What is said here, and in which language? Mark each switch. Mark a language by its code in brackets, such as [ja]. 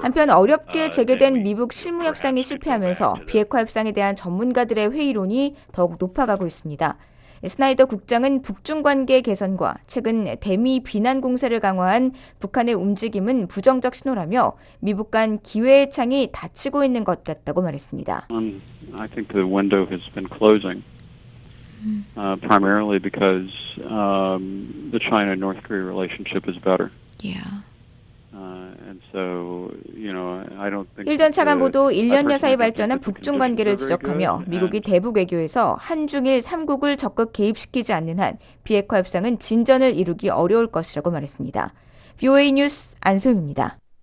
[ko] 한편 어렵게 재개된 미북 실무 협상이 실패하면서 비핵화 협상에 대한 전문가들의 회의론이 더욱 높아가고 있습니다. 스나이더 국장은 북중 관계 개선과 최근 대미 비난 공세를 강화한 북한의 움직임은 부정적 신호라며 미북 간 기회의 창이 닫히고 있는 것 같다고 말했습니다. [en] I think the window has been closing. Primarily because the China-North Korea relationship is better. Yeah. And so, you know, I don't think [ko] 일전 차관 보도 1년여 사이 발전한 북중 관계를 지적하며 미국이 대북 외교에서 한중일 3국을 적극 개입시키지 않는 한 비핵화 협상은 진전을 이루기 어려울 것이라고 말했습니다. VOA 뉴스 안소영입니다.